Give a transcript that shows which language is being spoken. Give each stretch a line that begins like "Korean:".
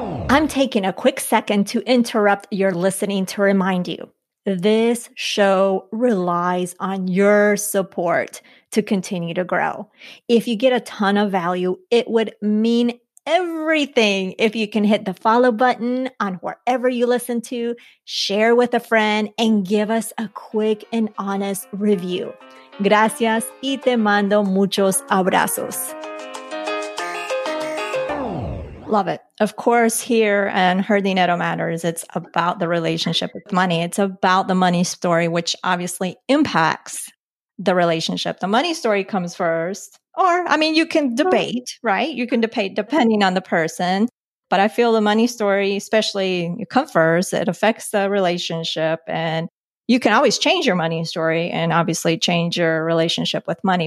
English: I'm taking a quick second to interrupt your listening to remind you, this show relies on your support to continue to grow. If you get a ton of value, it would mean everything if you can hit the follow button on wherever you listen to, share with a friend, and give us a quick and honest review.
Spanish: Gracias y te mando muchos abrazos.
English: Love it. Of course, here on Her Dinero Matters, it's about the relationship with money. It's about the money story, which obviously impacts the relationship. The money story comes first, or I mean, you can debate, right? You can debate depending on the person, but I feel the money story, especially you come first, it affects the relationship, and you can always change your money story and obviously change your relationship with money.